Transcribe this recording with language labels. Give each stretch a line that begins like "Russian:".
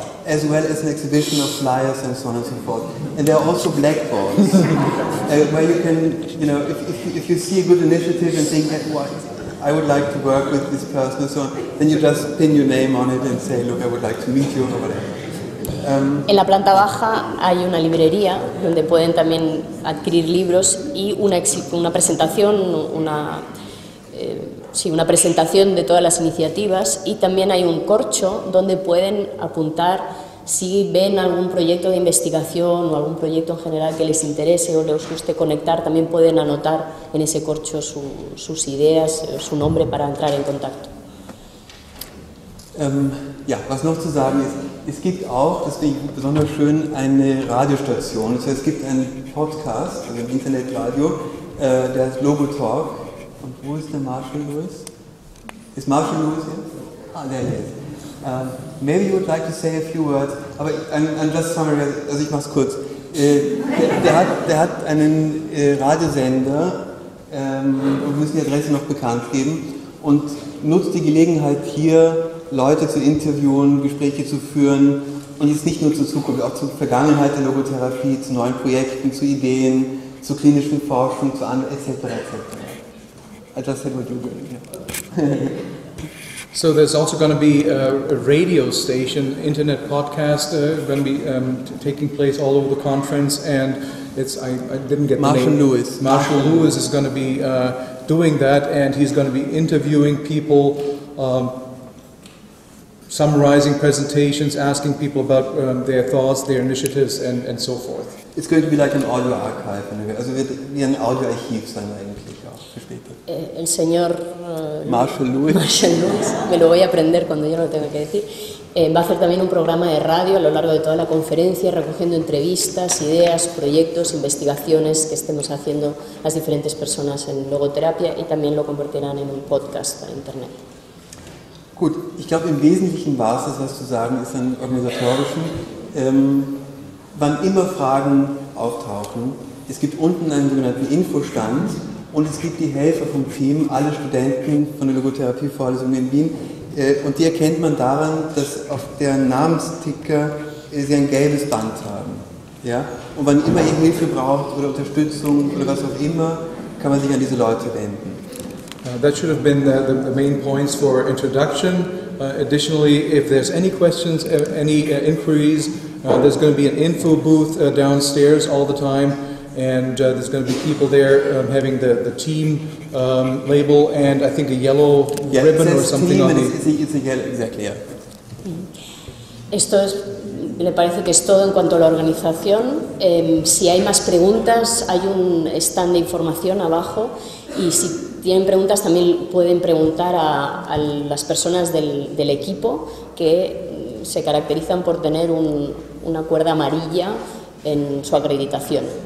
English: as well as an exhibition of flyers and so on and so forth. And there are also blackboards where you can, you know, if you see a good initiative and think, well, I would like to work with this person and so on, then you just pin your name on it and say, look, I would like to meet you or whatever.
Spanish: En la planta baja hay una librería donde pueden también adquirir libros y una presentación de todas las iniciativas y también hay un corcho donde pueden apuntar si ven algún proyecto de investigación o algún proyecto en general que les interese o les guste conectar, también pueden anotar en ese corcho sus ideas, su nombre para entrar en contacto.
German: Was noch zu sagen ist, es gibt auch, das finde ich besonders schön, eine Radiostation. Also es gibt einen Podcast, also ein Internetradio, der heißt Logotalk. Und wo ist der Marshall Lewis? Ist Marshall Lewis hier? Ah, der ist.
English: Maybe you would like to say a few words, aber I'm just summary,
German: also ich mache es kurz. Der hat einen Radiosender, und wir müssen die Adresse noch bekannt geben, und nutzt die Gelegenheit hier, Leute zu interviewen, Gespräche zu führen und jetzt nicht nur zur Zukunft, auch zur Vergangenheit der Logotherapie, zu neuen Projekten, zu Ideen, zu klinischen Forschung, zu anderen, etc.
English: etc. I just said what you were doing. So there's also going to be a radio station, internet podcast, going to be taking place all over the conference and it's, I didn't get Marshall the name. Lewis. Marshall Lewis is going to be doing that and he's going to be interviewing people, summarizing presentations, asking people about their thoughts, their initiatives, and so forth. It's going to be like an audio archive,
German: also wird wie ein Audioarchiv sein eigentlich auch für später.
Spanish: El señor Marshall Lewis. Marshall Lewis. Me lo voy a aprender cuando yo no lo tenga que decir. Va a hacer también un programa de radio a lo largo de toda la conferencia, recogiendo entrevistas, ideas, proyectos, investigaciones que estemos haciendo las diferentes personas en logoterapia y también lo convertirán en un podcast para internet.
German: Gut, ich glaube, im Wesentlichen war es das, was zu sagen ist, an organisatorischen. Wann immer Fragen auftauchen, es gibt unten einen sogenannten Infostand und es gibt die Helfer vom FIM, alle Studenten von der Logotherapievorlesung in Wien. Und die erkennt man daran, dass auf der Namensticker sie ein gelbes Band haben. Ja? Und wann immer ihr Hilfe braucht oder Unterstützung oder was auch immer, kann man sich an diese Leute wenden.
English: That should have been the main points for introduction. Additionally, if there's any questions, any inquiries, there's going to be an info booth downstairs all the time, and there's going to be people there having the team label and I think a yellow ribbon or something team on it. Yes, it's a yellow, exactly. Yeah.
Spanish: Esto es, le parece que es todo en cuanto a la organización. Si hay más preguntas, hay un stand de información abajo y si tienen preguntas, también pueden preguntar a las personas del equipo que se caracterizan por tener una cuerda amarilla en su acreditación.